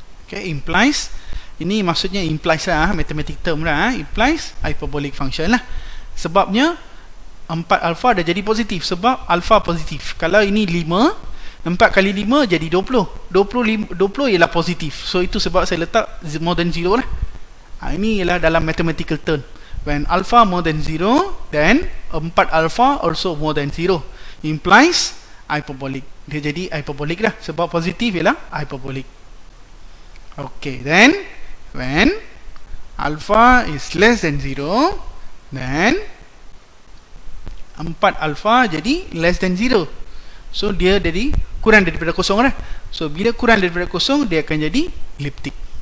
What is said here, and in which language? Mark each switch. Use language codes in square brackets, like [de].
[ms] Okay, implies, ini maksudnya implies lah, mathematic term lah, implies hyperbolic function lah. Sebabnya 4 alpha dah jadi positif sebab alpha positif. Kalau ini 5, 4 kali 5 jadi 20. 20 ialah positif. So itu sebab saya letak [en] more than 0 [ms] lah. Ini ialah dalam mathematical term. [en] When alpha more than 0, then 4 alpha also more than 0. [ms] Implies hyperbolic. Dia jadi hyperbolic lah. Sebab positif ialah hyperbolic. [en] Okay, then when alpha is less than 0, then 4 alpha jadi less than 0. [ms] So, dia jadi kurang daripada kosong lah. So, bila kurang daripada kosong, dia akan jadi elliptic.